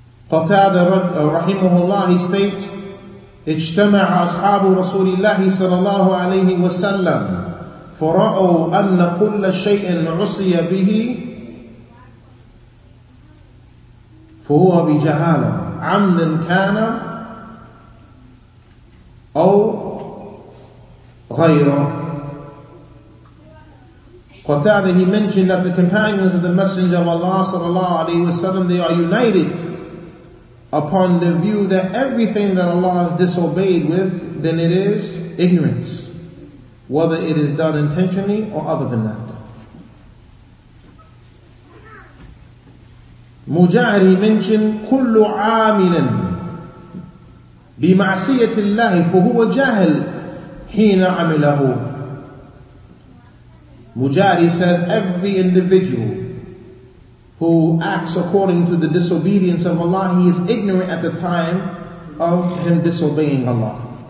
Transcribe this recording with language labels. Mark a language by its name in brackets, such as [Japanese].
[Arabic] Qatada rahimahullah, [English] he states, [Arabic] اجتمع أصحاب رسول الله صلى الله عليه وسلم فرأوا أن كل شيء عصي به فهو بجهالة عمدا كان أو غيره. [English] Qatada, he mentioned that the companions of the Messenger of Allah صلى الله عليه وسلم, they are united upon the view that everything that Allah has disobeyed with, then it is ignorance, whether it is done intentionally or other than that. [Arabic] Mujahid, [English] he mentioned, [Arabic] كل عامل بمعصية الله فهو جاهل حين عمله. [English] Mujahid, he says, every individual who acts according to the disobedience of Allah, he is ignorant at the time of him disobeying Allah.